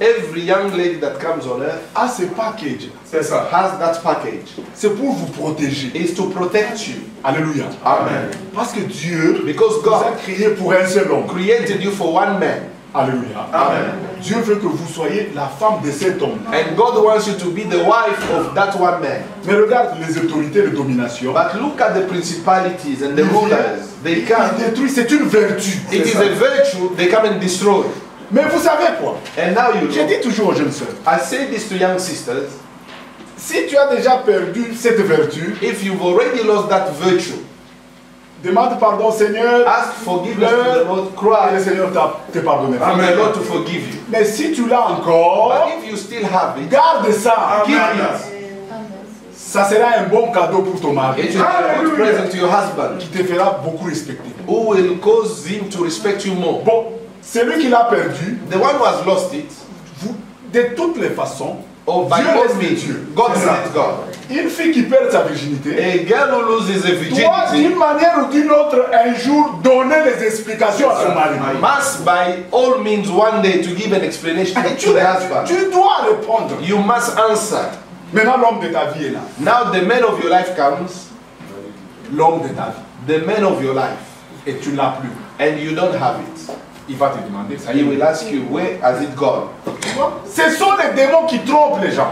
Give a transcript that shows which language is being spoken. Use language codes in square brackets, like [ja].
[en] every young lady that comes on earth, [fr] a ce package. C'est ça. [en] Has that package. [fr] C'est pour vous protéger. [en] It's to protect you. [fr] Alléluia. [en] Amen. [fr] Parce que Dieu, [en] because God, [fr] vous a créé pour un seul homme. [en] Created you for one man. [fr] Alléluia. [en] Amen. [fr] Dieu veut que vous soyez la femme de cet homme. [en] And God wants you to be the wife of that one man. [fr] Mais regarde les autorités de domination. [en] But look at the principalities and the rulers. They come. [fr] Ils détruisent. C'est une vertu. [en] It is a virtue. They come and destroy. [fr] Mais vous savez quoi? [en] And now you [fr] know. Je dis toujours aux jeunes sœurs. [en] I say this to young sisters. [fr] Si tu as déjà perdu cette vertu, [en] if you've already lost that virtue, [fr] demande pardon au Seigneur. [en] Ask forgiveness to the Lord. Cry. [fr] Le Seigneur te pardonne. [en] Amen. Lord to forgive you. [fr] Mais si tu l'as encore, [en] but if you still have it, [fr] garde ça. [en] Amen. Keep it. [fr] Ça sera un bon cadeau pour ton mari. [en] It's a good present to your husband. [fr] Qui te fera beaucoup respecter. [en] Who will cause him to respect you more? [fr] Bon. Celui qui l'a perdu, [en] the one who has lost it, [fr] vous, de toutes les façons, oh, Dieu laisse les Dieu. [en] God bless God. [fr] Une fille qui perd sa virginité, [en] a girl who loses her virginity, [fr] doit d'une manière ou d'une autre un jour donner des explications à son mari. [en] Must by all means one day to give an explanation to the husband. [fr] Tu dois répondre. [en] You must answer. [fr] Maintenant l'homme de ta vie est là. [en] Now the man of your life comes. [fr] L'homme de ta vie. [en] The man of your life. [fr] Et tu l'as plus. [en] And you don't have it. [fr] Il va te demander ça. [en] He will ask you, where has it gone? [fr] Ce sont les démons qui trompent les gens.